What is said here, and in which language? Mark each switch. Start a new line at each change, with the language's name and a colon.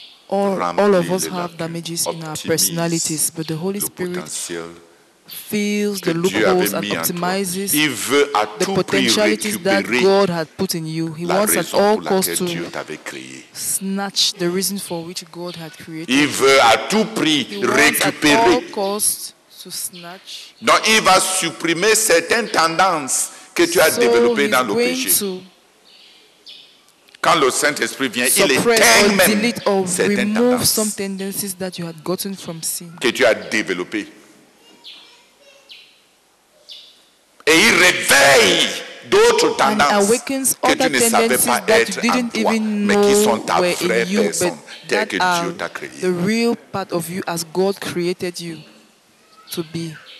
English: all of us have damages in our personalities, but the Holy Spirit fills the loopholes and optimizes the potentialities that God had put in you. He wants at all costs to snatch the reason for which God had created you. He wants
French: récupérer.
English: At all costs to snatch.
French: Donc, il va supprimer certaines tendances que tu as développées dans le péché. Quand le Saint-Esprit vient, il éteint même certaines
English: tendances that you had gotten from sin.
French: Que tu as développées. Et il réveille d'autres tendances que tu ne savais pas être en toi, mais qui sont ta vraie personne, telle que Dieu t'a créée.
English: The real part of you as God created you to be.